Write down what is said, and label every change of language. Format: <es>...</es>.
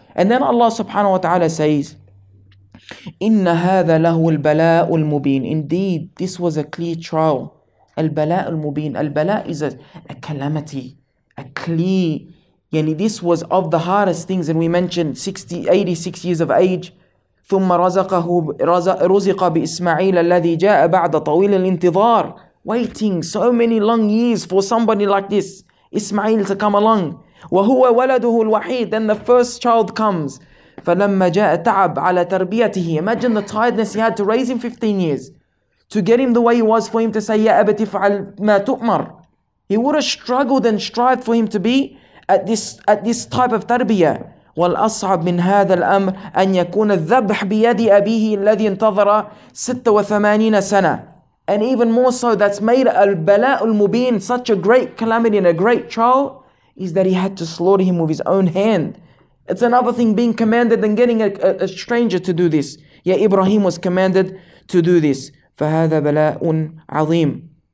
<en>And then Allah subhanahu wa ta'ala says,</en> <ar>Inna hadha lahu al-bala'u al-mubin.</ar> <en>Indeed, this was a clear trial. Al-bala'u al-mubin. Al-bala' is a calamity, a clear. Yani this was of the hardest things. And we mentioned 86 years of age.</en> <ar>ثم رزقه رزق بإسماعيل الذي جاء بعد طويل الانتظار.</ar> <en>Waiting so many long years for somebody like this, Ismail, to come along.</en> <ar>وهو ولده الوحيد.</ar> <en>Then the first child comes.</en> <ar>فلما جاء تعب على تربيته.</ar> <en>Imagine the tiredness he had to raise him 15 years to get him the way he was, for him to say</en> <ar>يا أبتي فعل ما تؤمر.</ar> <en>He would have struggled and strived for him to be at this type of tarbiyah.</en> <ar>والأصعب من هذا الأمر أن يكون الذبح بيد أبيه الذي انتظر 86 سنة.</ar> <en>And even more so, that's made</en> <ar>البلاء المبين,</ar> <en>such a great calamity and a great trial, is that he had to slaughter him with his own hand. It's another thing being commanded than getting a stranger to do this. Yet Ibrahim was commanded to do this.</en> <ar>فهذا بلاء عظيم.</ar>